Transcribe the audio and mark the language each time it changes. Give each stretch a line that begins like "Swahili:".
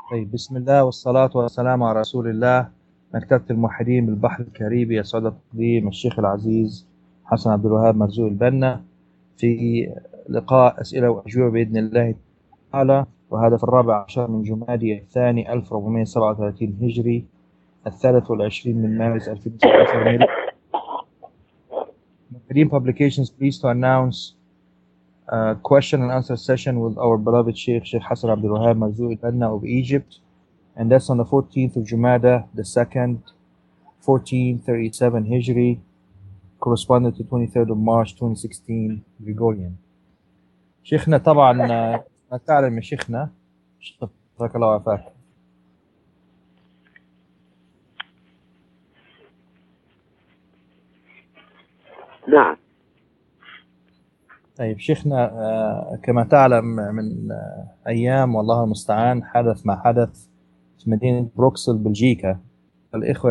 Arabic: طيب، بسم الله والصلاة والسلام على رسول الله. مكتبة الموحدين بالبحر الكاريبي يسعد تقديم الشيخ العزيز حسن عبد الوهاب مرزوق البنا في لقاء أسئلة وأجوبة بإذن الله تعالى، وهذا في 14 من جمادي الثاني 1437 هجري، 23 من مارس 2016 ميلادي.
English: الموحدين Publications pleased to announce question and answer session with our beloved Sheikh, Sheikh Hassan Abdul Wahab Marzouq al-Banna of Egypt. And that's on the 14th of Jumada, the 2nd, 1437 Hijri, corresponding to 23rd of March, 2016, Gregorian.
Arabic: Sheikhna, طبعا ما تعلم يا شيخنا، شكرا الله وعفاك. نعم. طيب شيخنا، كما تعلم من أيام والله المستعان حدث ما حدث في مدينة بروكسل بلجيكا، الإخوة